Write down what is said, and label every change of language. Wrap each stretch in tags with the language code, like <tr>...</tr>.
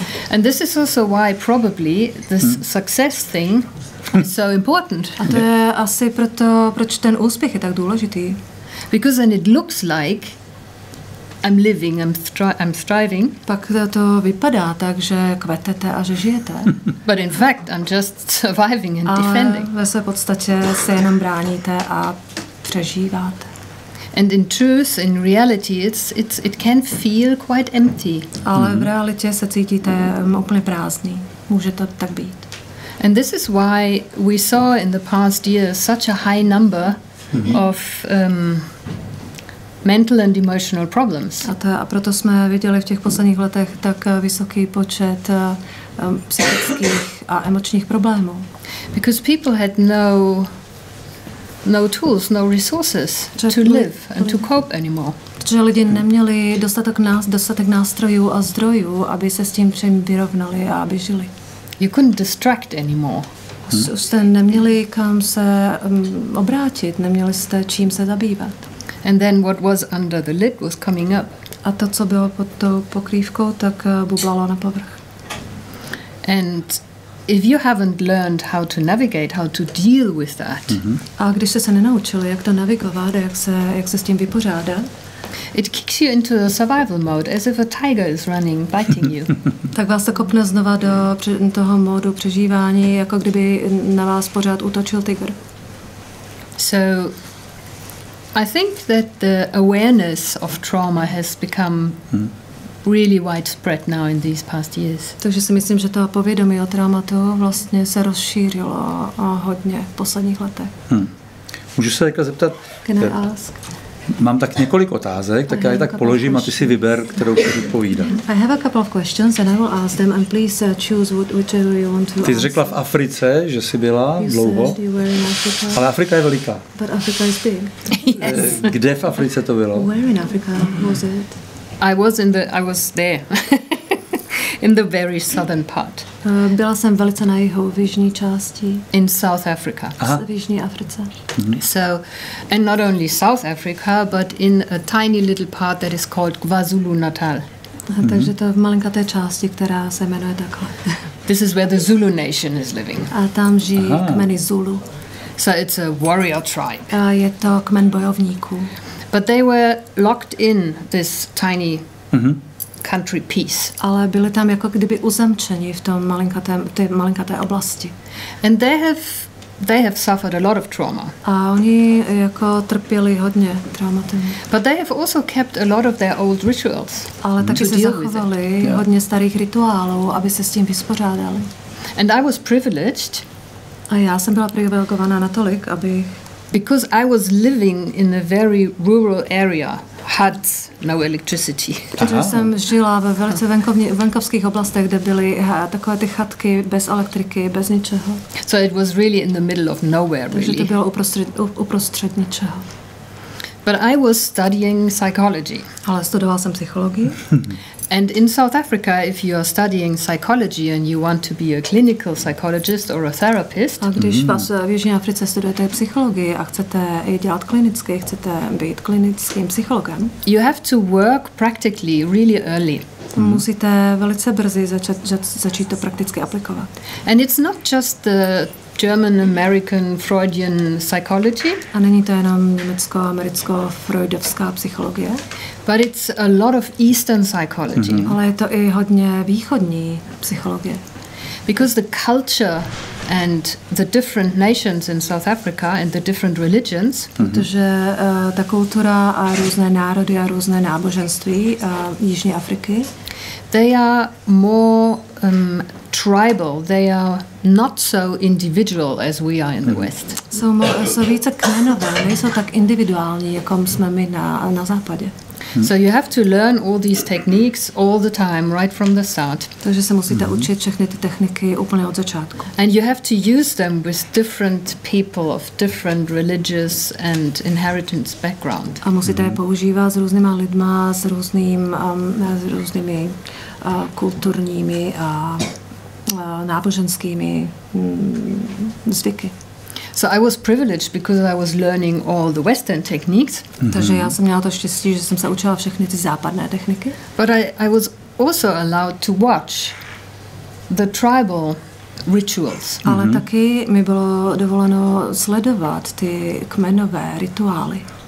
<en>And this is also why probably this success thing is so important.</en> <cs>A to je asi proto, proč ten úspěch je tak důležitý.</cs> <en>Because then it looks like I'm living, I'm striving.</en> <cs>Pak to vypadá tak, že kvetete a že žijete.</cs> <en>But in fact, I'm just surviving and defending.</en> <cs>Ale ve své podstatě se jenom bráníte a přežíváte.</cs> <en>And in truth, in reality, it can feel quite empty.</en> <cs>Ale v realitě se cítíte úplně prázdný. Může to tak být.</cs> <en>And this is why we saw in the past years such a high number of mental and emotional problems.</en> <cs>A proto jsme viděli v těch posledních letech tak vysoký počet psychických a emočních problémů.</cs> <en>Because people had no tools, no resources to live and to cope anymore.</en> <cs>Protože lidi neměli dostatek nástrojů a zdrojů, aby se s tím všem vyrovnali a aby žili.</cs> <en>You couldn't distract anymore.</en> <cs>Jste neměli kam se obrátit, neměli jste čím se zabývat.</cs> <en>And then what was under the lid was coming up.</en> <cs>A to, co bylo pod tou pokrývkou, tak bublalo na povrch.</cs> <en>And if you haven't learned how to navigate, how to deal with that.</en> <cs>A když jste se nenaučili, jak to navigovat, jak se s tím vypořádat.</cs> <en>It kicks you into a survival mode, as if a tiger is running, biting you.</en> <cs>Tak vás to kopne znova do toho módu přežívání, jako kdyby na vás pořád útočil tygr.</cs> <en>So I think that the awareness of trauma has become really widespread now in these past years.</en> <cs>Takže si myslím, že to povědomí o traumatu vlastně se rozšířilo a hodně v posledních letech. Hmm. Můžu se teďka zeptat?</cs> <en>Can I ask?</en> <cs>Mám tak několik otázek, tak já je tak položím a ty si vyber, kterou chceš odpovídat.</cs> <en>I have a couple of questions and I will ask them and please choose whichever you want to ask.</en> <cs>Ty jsi řekla v Africe, že jsi byla dlouho, ale Afrika je veliká.</cs> <en>But Africa is big. Yes.</en> <cs>Kde v Africe to bylo?</cs> <en>Where in Africa was it? I was there. In the very southern part.</en> <cs>Byla jsem velice na jeho v jižní části.</cs> <en>In South Africa.</en> <cs>V jižní Africe.</cs> <en>So, and not only South Africa, but in a tiny little part that is called KwaZulu Natal.</en> <cs>Takže to je v malinkaté části, která se jmenuje takhle.</cs> <en>This is where the Zulu nation is living.</en> <cs>A tam žijí kmeny Zulu.</cs> <en>So it's a warrior tribe.</en> <cs>A je to kmen bojovníků.</cs> <en>But they were locked in this tiny country peace.</en> <cs>Ale byli tam jako kdyby uzamčeni v tom malinkaté oblasti.</cs> <en>And they have suffered a lot of trauma.</en> <cs>A oni jako trpěli hodně traumatem.</cs> <en>But they have also kept a lot of their old rituals.</en> <cs>Ale taky se zachovali hodně starých rituálů, aby se s tím vyspořádali.</cs> <en>And I was privileged.</en> <cs>A já jsem byla privilegovaná natolik, aby</cs> <en>because I was living in a very rural area. Huts, no electricity.</en> <cs>Protože jsem žila ve velice venkovských oblastech, kde byly takové ty chatky bez elektriky, bez ničeho.</cs> <en>So it was really in the middle of nowhere, really.</en> <cs>Takže to bylo uprostřed ničeho.</cs> <en>But I was studying psychology.</en> <cs>Ale studovala jsem psychologii.</cs> <en>And in South Africa, if you are studying psychology and you want to be a clinical psychologist or a therapist,</en> <cs>a když vás v Jižní Africe studujete psychologii a chcete i dělat klinicky, chcete být klinickým psychologem,</cs> <en>you have to work practically really early.</en> <cs>Musíte velice brzy začít to prakticky aplikovat.</cs> <en>And it's not just the German American Freudian psychology.</en> <cs>A není to jenom německo-americko-freudovská psychologie.</cs> <en>But it's a lot of eastern psychology. Mm-hmm.</en> <cs>Ale je to i hodně východní psychologie.</cs> <en>Because the culture and the different nations in South Africa and the different religions,</en> <cs>protože ta kultura a různé národy a různé náboženství jižní Afriky.</cs> <en>They are more tribal. They are not so individual as we are in the West.</en> <cs>Jsou více kmenové, nejsou tak individuální, jako jsme my na západě.</cs> <en>So you have to learn all these techniques all the time right from the start.</en> <cs>Takže se musíte učit všechny ty techniky úplně od začátku.</cs> <en>And you have to use them with different people of different religious and inheritance background.</en> <cs>A musíte je používat s různýma lidma, s různým s různými kulturními a náboženskými zvyky.</cs> <en>So I was privileged because I was learning all the Western techniques.</en> <cs>Takže já jsem měla to štěstí, že jsem se učila všechny ty západné techniky.</cs> <en>But I was also allowed to watch the tribal rituals.</en> <cs>Ale taky mi bylo dovoleno sledovat ty kmenové rituály.</cs>